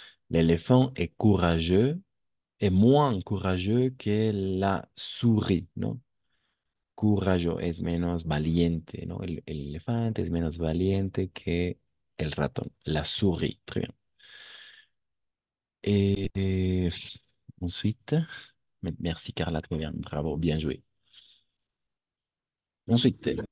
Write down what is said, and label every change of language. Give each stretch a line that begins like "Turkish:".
French: L'éléphant est courageux et moins courageux que la souris, non?
Spanish: Courageux es menos valiente, ¿no? El elefante es menos valiente que el ratón, la souris.
French: Très bien. Et ensuite, merci Carla, très bien, bravo, bien joué. Ensuite,